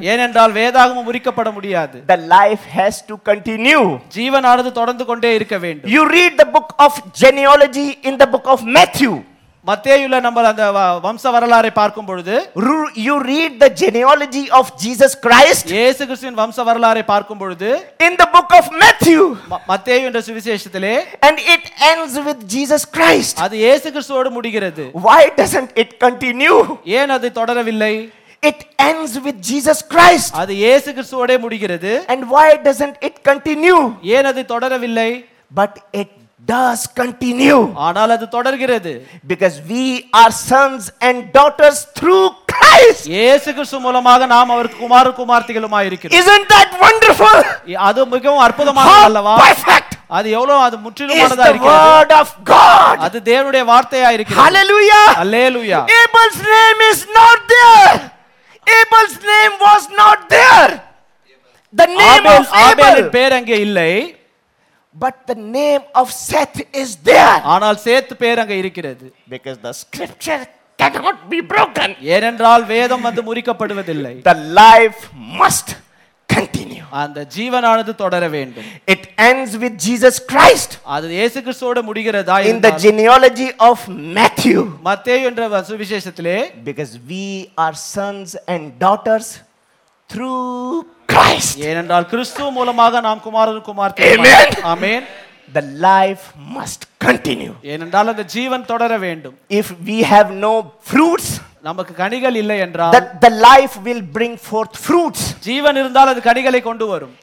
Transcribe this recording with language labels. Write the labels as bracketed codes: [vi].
[ta] ஏனென்றால் வேதாகமம் முறிக்கப்பட முடியாது. [en] The life has to continue. [ta] ஜீவனானது தொடர்ந்து கொண்டே இருக்க வேண்டும். [en] You read the book of genealogy in the book of Matthew. [ta] மத்தேயுள்ள நம்ம அந்த வம்ச வரலாறை பார்க்கும் பொழுது, [en] you read the genealogy of Jesus Christ, [ta] இயேசு கிறிஸ்துவின் வம்ச வரலாறை பார்க்கும் பொழுது, [en] in the book of Matthew, [ta] மத்தேயுவின் சுவிசேஷத்திலே, [en] and it ends with Jesus Christ, [ta] அது இயேசு கிறிஸ்துவோடு முடிகிறது. [en] Why doesn't it continue? [ta] ஏன் அது தொடரவில்லை? [en] It ends with Jesus Christ, [ta] அது இயேசு கிறிஸ்துவோடே முடிகிறது. [en] And why doesn't it continue? [ta] ஏன் அது தொடரவில்லை? [en] But it does continue. [ta] ஆனால் அது தொடர்கிறது. [en] Because we are sons and daughters through Christ. [ta] இயேசு கிறிஸ்து மூலமாக நாம் அவருக்கு குமார குமார்த்திகளுமாய் இருக்கிறோம். [en] Isn't that wonderful? [ta] அது மிகவும் அற்புதமானது அல்லவா? [en] Perfect. [ta] அது எவ்வளவு அது முற்றிலுமானதா இருக்கிறது. [en] Word of God. [ta] அது தேவனுடைய வார்த்தையா இருக்கிறது. [en] Hallelujah. Hallelujah. Abel's name is not there. Abel's name was not there. The name of Abel. [ta] Abel's பேர் அங்கே இல்லை. [en] But the name of Seth is there. [ta] ஆனால் சேத் பேர் அங்க இருக்கிறது. [en] Because the scripture cannot be broken. [ta] ஏனென்றால் வேதம் வந்து முறிக்கப்படுவதில்லை. [en] The life must continue. [ta] அந்த ஜீவனானது தொடர வேண்டும். [en] It ends with Jesus Christ. [ta] அது இயேசு கிறிஸ்துவோடு முடிகிறதா? [en] In the genealogy of Matthew. [ta] மத்தேயு என்ற சுவிசேஷத்திலே. [en] Because we are sons and daughters through Christ. [ta] ஏனென்றால் கிறிஸ்து மூலமாக நாம் குமாரர் குமார்த்தி. [en] Amen. Amen. The life must continue. [ta] ஏனென்றால் அந்த ஜீவன் தொடர வேண்டும். [en] If we have no fruits, [ta] நமக்கு கனிகள் இல்லை என்றால், [en] the life will bring forth fruits. [ta] ஜீவன் இருந்தால் அது கனிகளை கொண்டு வரும்.